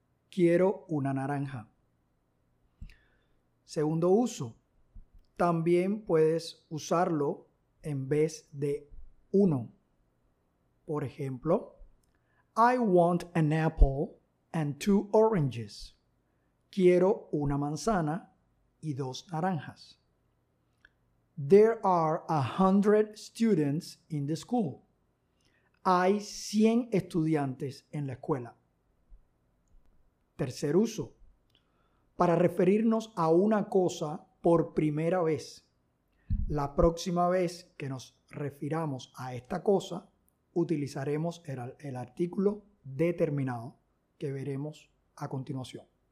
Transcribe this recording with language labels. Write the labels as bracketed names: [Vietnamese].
[Spanish] Quiero una naranja. Segundo uso, también puedes usarlo en vez de uno. Por ejemplo, [English] I want an apple and two oranges. [Spanish] Quiero una manzana y dos naranjas. [English] There are 100 students in the school. [Spanish] Hay 100 estudiantes en la escuela. Tercer uso. Para referirnos a una cosa por primera vez. La próxima vez que nos refiramos a esta cosa, utilizaremos el artículo determinado que veremos a continuación.